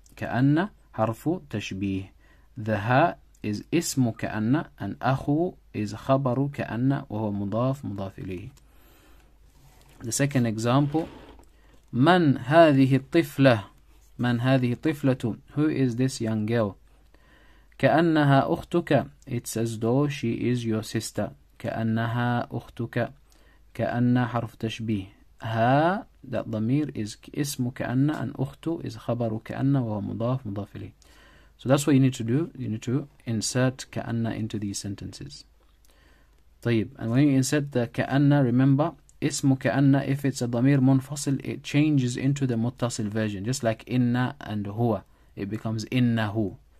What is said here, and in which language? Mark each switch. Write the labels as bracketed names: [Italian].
[English] Ka'anna, harfu tashbih. The ha is ismu ka'anna, and akhu is khabaru ka'anna, [Arabic] wa huwa mudaf mudaf ilayhi. [English] The second example: [Arabic] من هذه الطفلة؟ من هذه الطفلة؟ [English] Who is this young girl? [Arabic] كأنها أختك. [English] It's as though she is your sister. [Arabic] كأنها أختك. كأن حرف تشبيه. ها, that ضمير is اسم كأن, and أخت is خبر كأن وهو مضاف مضاف إليه. [English] So that's what you need to do. You need to insert كأن into these sentences. [Arabic] طيب. [English] And when you insert the كأن, remember, اسم كأن, if it's a ضمير منفصل, it changes into the متصل version, just like إن and هو, it becomes إنه.